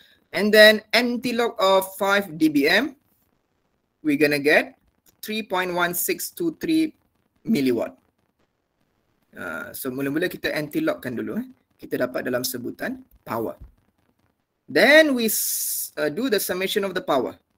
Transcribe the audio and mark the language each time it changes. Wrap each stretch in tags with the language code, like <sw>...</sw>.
<en>And then anti-log of 5 dBm, we're going to get 3.1623 milliwatt.</en> <ms>So mula-mula kita anti-logkan dulu. Kita dapat dalam sebutan power.</ms> <en>Then we do the summation of the power.</en>